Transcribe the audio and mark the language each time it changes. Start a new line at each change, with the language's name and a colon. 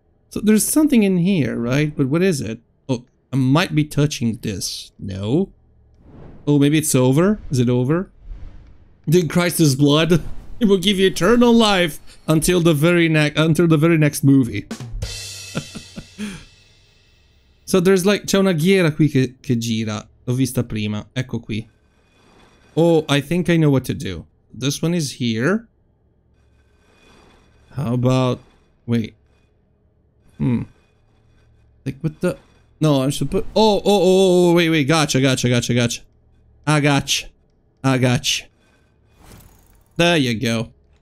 English: So there's something in here, right? But what is it? Oh, I might be touching this. No. Oh, maybe it's over? Is it over? In Christ's blood, it will give you eternal life until the very next movie. So there's like,
Italian: c'è una ghiera qui che gira. L'ho vista prima. Ecco qui.
English: Oh, I think I know what to do. This one is here. How about, wait. Like what the? No, I'm supposed. Oh, wait. Gotcha. I gotcha. There you go.